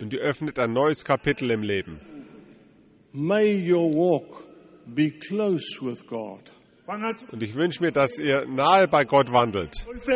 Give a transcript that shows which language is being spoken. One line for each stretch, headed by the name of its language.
German: Und ihr öffnet ein neues Kapitel im Leben.
English: May your walk be close with God.
German: Und ich wünsche mir, dass ihr nahe bei Gott wandelt.